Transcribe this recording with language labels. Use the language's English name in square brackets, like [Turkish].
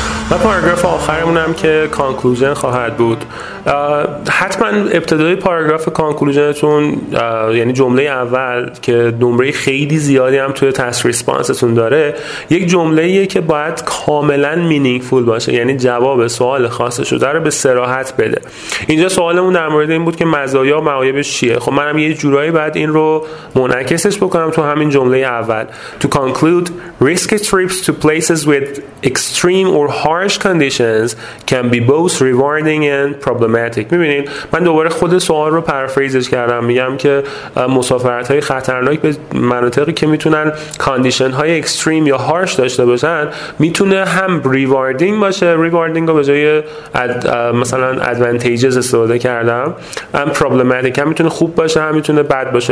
[Persian] پاراگراف آخرمون هم که کانکلوژن خواهد بود، حتما ابتدای پاراگراف کانکلوژنتون یعنی جمله اول که نمره خیلی زیادی هم توی تست ریسپانستون داره، یک جمله‌ایه که باید کاملا مینینگفول باشه، یعنی جواب سوال خواسته شده رو به صراحت بده. اینجا سوالمون در مورد این بود که مزایا و معایبش چیه. خب منم یه جورایی باید این رو منعکسش بکنم تو همین جمله اول. [English] To conclude, risky trips to places with extreme or harsh conditions can be both rewarding and problematic. [Persian] میبینید من دوباره خود سوال رو پرافریزش کردم، میگم که مسافرت های خطرناک به مناطقی که میتونن کاندیشن های اکستریم یا هارش داشته باشن میتونه هم ریواردینگ باشه، ریواردینگ رو به جای مثلا ادوانتیجز استفاده کردم، هم پرابلماتیک هم میتونه خوب باشه هم میتونه بد باشه.